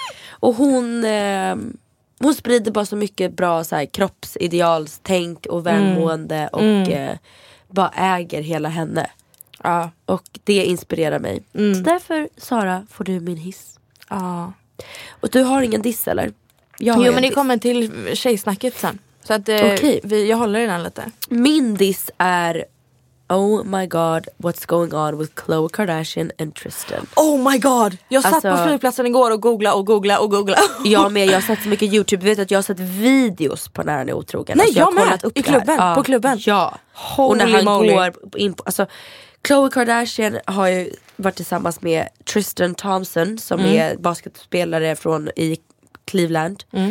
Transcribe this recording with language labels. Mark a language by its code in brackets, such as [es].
[sv] Och hon sprider bara så mycket bra så här kroppsidealstänk och välmående och bara äger hela henne. Ja. Och det inspirerar mig. Mm. Så därför, Sara, får du min hiss. Ja. Och du har ingen diss, eller? Jo, men ni kommer till tjejsnacket sen. Så att jag håller den här lite. Min diss är... [en] Oh my god, what's going on with Khloe Kardashian and Tristan? Oh my god, [sv] jag satt alltså, på flygplatsen igår och googla. Jag med, jag har sett så mycket YouTube. Vet att jag har sett videos på när han är otrogen. Nej, alltså, jag har kollat upp i klubben, på klubben. Ja. Holy och när han moly. Går in på, alltså, Khloe Kardashian har ju varit tillsammans med Tristan Thompson som är basketspelare från i Cleveland.